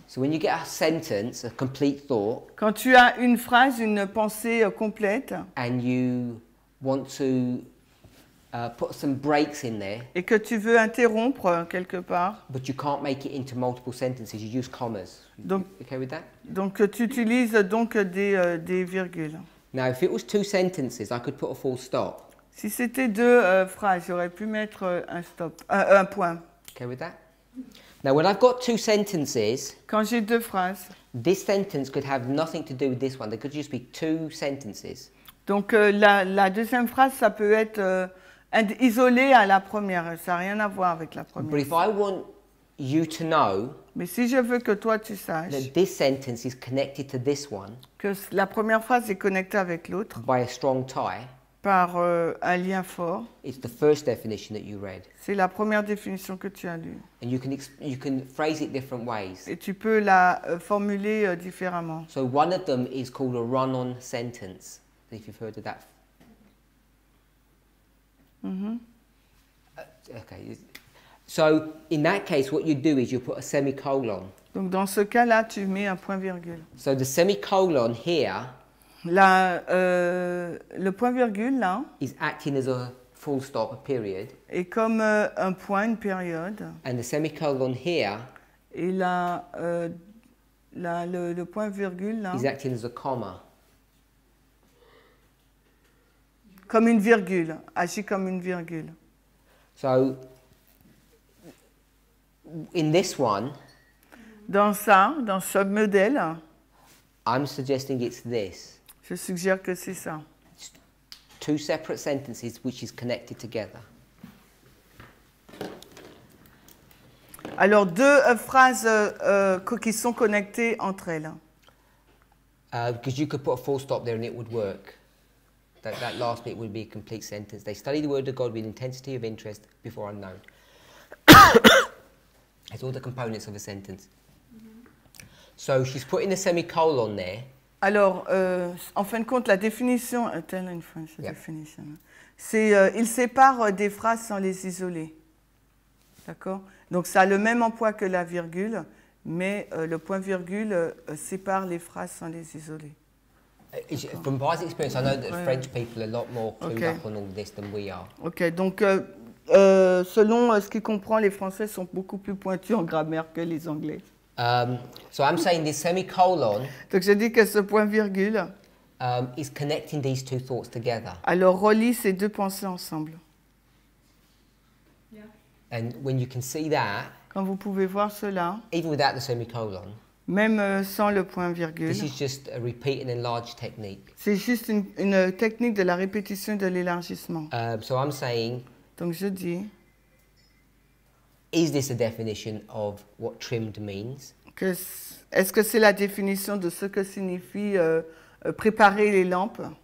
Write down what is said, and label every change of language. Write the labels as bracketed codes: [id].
[en] So when you get a sentence, a complete thought, [fr] quand tu as une phrase, une pensée complète, [en] and you want to put some breaks in there, [fr] et que tu veux interrompre quelque part, [en] but you can't make it into multiple sentences, you use commas. [fr] Donc, [en] you okay with that? [fr] Donc tu utilises donc des virgules. [en] Now, if it was two sentences, I could put a full stop. [fr] Si c'était deux phrases, j'aurais pu mettre un stop, un point. [en] Okay with that? Now, when I've got two sentences, [fr] quand j'ai deux phrases, [en] this sentence could have nothing to do with this one. They could just be two sentences. [fr] Donc la deuxième phrase, ça peut être isolé à la première. Ça n'a rien à voir avec la première. [en] But if I want you to know, [fr] mais si je veux que toi tu saches, [en] that this sentence is connected to this one, [fr] que la première phrase est connectée avec l'autre, [en] by a strong tie, [fr] par un lien fort. [en] It's the first definition that you read. [fr] C'est la première définition que tu as lue. [en] And you can phrase it different ways. [fr] Et tu peux la formuler différemment. [en] So one of them is called a run-on sentence. If you've heard of that. Okay. So in that case, what you do is you put a semicolon. [fr] Donc dans ce cas-là, tu mets un point virgule. [en] So the semicolon here. [fr] Le point virgule là [en] is acting as a full stop, a period. [fr] Est comme un point, une période. [en] And the semicolon here. [fr] Et le point virgule là [en] is acting as a comma. [fr] Comme une virgule, agit comme une virgule. [en] So in this one. [fr] Dans ce modèle. [en] I'm suggesting it's this. [fr] Je suggère que c'est ça. [en] Two separate sentences which is connected together. [fr] Alors deux phrases qui sont connectées entre elles. [en] Because you could put a full stop there and it would work. That last bit would be a complete sentence. They study the word of God with intensity of interest before unknown. It's all the components of a sentence. So she's putting a semicolon there. [fr] Alors, en fin de compte, la définition, [en] tell in French, yep. [fr] Définition. C'est, il sépare des phrases sans les isoler. D'accord? Donc, ça a le même emploi que la virgule, mais le point virgule sépare les phrases sans les isoler. [en] From past experience, I know that French people are a lot more clued okay. up on all this than we are. [fr] OK, donc, selon ce qu'il comprend, les Français sont beaucoup plus pointus en grammaire que les Anglais. [en] So I'm saying this semicolon. [fr] Donc je dis que ce point virgule. [en] Is connecting these two thoughts together. [fr] Alors relie ces deux pensées ensemble. [en] Yeah. And when you can see that. [fr] Quand vous pouvez voir cela. [en] Even without the semicolon. [fr] Même sans le point virgule. [en] This is just a repeat and enlarge technique. [fr] C'est juste une technique de la répétition de l'élargissement. [en] So I'm saying. [fr] Donc je dis. [en] Is this a definition of what trimmed means? [fr] Est-ce que c'est la définition de ce que signifie préparer les lampes?